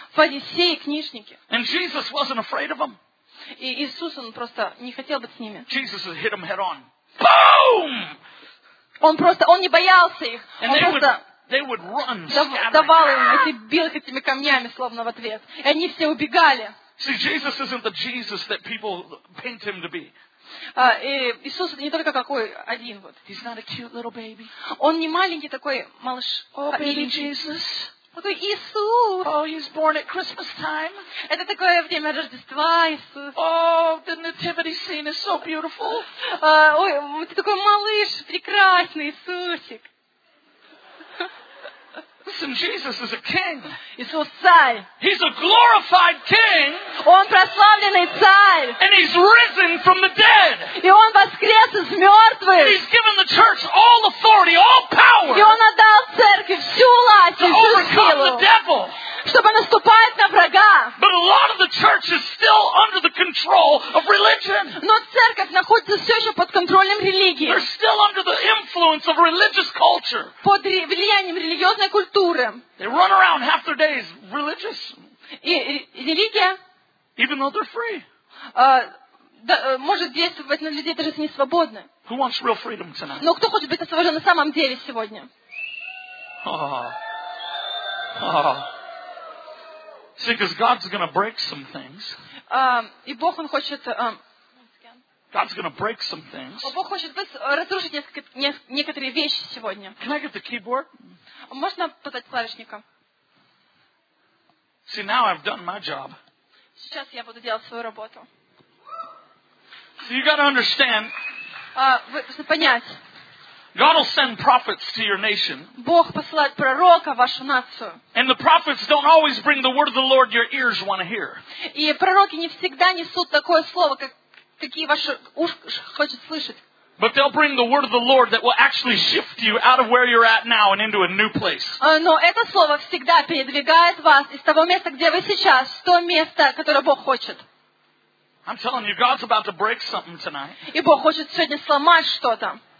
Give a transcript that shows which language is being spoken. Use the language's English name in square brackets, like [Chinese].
[Russian] Фарисеи и книжники. [English] And Jesus wasn't afraid of them. [Russian] И Иисус, он просто не хотел быть с ними. [English] Jesus would hit them head on. Boom! [Russian] Он не боялся их. [English] And [Russian] он просто [English] they would run, [Russian] давал им эти билки этими камнями, словно в ответ. И они все убегали. [English] See, Jesus isn't the Jesus that people paint him to be. [Russian] Иисус не только какой один вот. [English] He's not a cute little baby. [Russian] Он не маленький такой малыш. [English] Oh, baby Jesus. [Russian] Такой Иисус. [English] Oh, he's born at Christmas time. [Russian] Это такое время Рождества, Иисус. [English] Oh, the nativity scene is so beautiful. [Russian] Ой, ты такой малыш, прекрасный Иисусик. [English] Listen, Jesus is a king. [Russian] Иисус царь. [English] He's a glorified king. [Russian] Он прославленный царь. [English] And he's risen from the dead. [Russian] И он воскрес из мертвых. [English] And he's given the church all authority, all power. [Russian] И он отдал церкви всю власть, всю силу. [English] To overcome the devil. [Russian] Чтобы наступать на врага. [English] But a lot of the church is still under the control of religion. [Russian] Но церковь находится все еще под контролем религии. [English] They're still under the influence of religious culture. [Russian] Под влиянием религиозной культуры. [English] They run around half their days religious. [Russian] Религия. [English] Even though they're free. [Russian] Может действовать на людей, даже если не свободны. [English] Who wants real freedom tonight? [Russian] Но кто хочет быть освобожден на самом деле сегодня? [English] See, because God's going to break some things. [Russian] И Бог он хочет. [English] God's going to break some things. [Russian] Бог хочет разрушить некоторые вещи сегодня. [English] Can I get the keyboard? [Russian] Можно позвать клавишника? [English] See, now I've done my job. [Russian] Сейчас я буду делать свою работу. [English] So you got to understand. [Russian] Чтобы понять. [English] God will send prophets to your nation. [Russian] Бог посылает пророка в вашу нацию. [English] And the prophets don't always bring the word of the Lord your ears want to hear. [Russian] И пророки не всегда несут такое слово, какие ваши уши хотят слышать. [English] But they'll bring the word of the Lord that will actually shift you out of where you're at now and into a new place. [Russian] Но это слово всегда передвигает вас из того места, где вы сейчас, в то место, которое Бог хочет. [English] I'm telling you, God's about to break something tonight. [Russian] И Бог хочет сегодня сломать что-то.